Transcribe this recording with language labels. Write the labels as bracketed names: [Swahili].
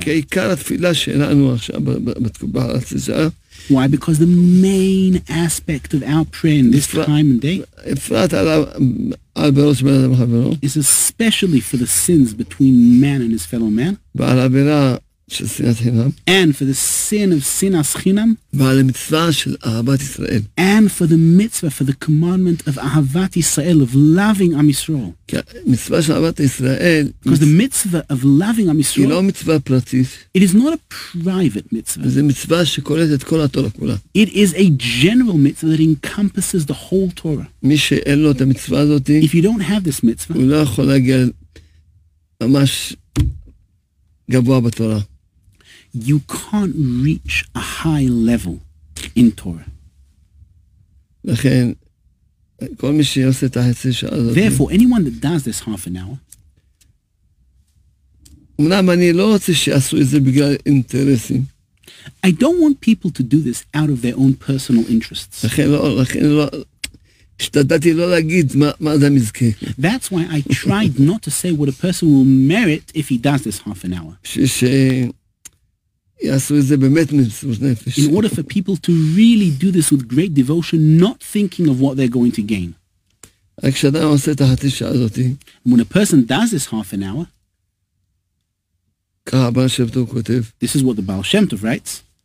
[English] Why? Because the main aspect of our prayer in this time and day is especially for the sins between man and his fellow man. [Hebrew] של שנאת חינם. [English] And for the sin of sinas chinam. [Hebrew] ועל המצווה של אהבת ישראל. [English] And for the mitzvah, for the commandment of אהבת ישראל, of loving Am Yisrael. [Hebrew] מצווה של אהבת ישראל. [English] Because the mitzvah of loving Am Yisrael. [Hebrew] היא לא מצווה פרטית. [English] It is not a private mitzvah. [Hebrew] זה מצווה שקולט את כל התורה כולה. [English] It is a general mitzvah that encompasses the whole Torah. [Hebrew] מי שאין לו את המצווה הזאת. [English] If you don't have this mitzvah. [Hebrew] הוא לא יכול להגיע ממש... גבוה בתורה. [English] You can't reach a high level in Torah. [Hebrew] לכן, כל מי שעושה את החצי שעה הזאת... [English] Therefore, anyone that does this half an hour... [Hebrew] אמנם אני לא רוצה שיעשו את זה בגלל אינטרסים. [English] I don't want people to do this out of their own personal interests. [Hebrew] לכן לא... השתדלתי לא להגיד מה זה מזכה. [English] That's why I tried not to say what a person will merit if he does this half an hour. [Hebrew] שיעשו את זה באמת מסירות נפש. [English] In order for people to really do this with great devotion, not thinking of what they're going to gain. [Hebrew] כשאדם עושה את החצי שעה הזאת. [English] When a person does this half an hour, [Hebrew] ככה הבעל שם טוב כותב. [English] This is what the Baal Shem Tov writes.